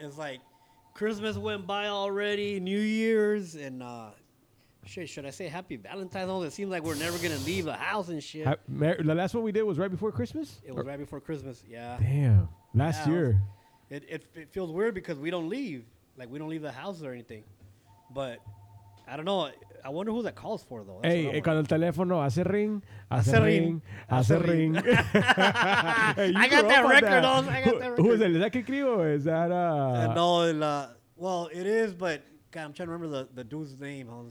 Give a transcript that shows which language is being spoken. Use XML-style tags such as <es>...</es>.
<en>It's like Christmas went by already, New Year's, and should I say Happy Valentine's? Oh, it seems like we're never going to leave the house and shit. The last one we did was right before Christmas? Right before Christmas, yeah. Damn, last year. It feels weird because we don't leave. Like, we don't leave the house or anything. But I don't know. I wonder who that calls for, though. That's hey,</en> <es>cuando el teléfono hace ring, hace ring, hace ring.</es> <en>Hey, I got that record on. Who is that? Is that Kikrio? Is that No, well, it is, but God, I'm trying to remember the dude's name.</en>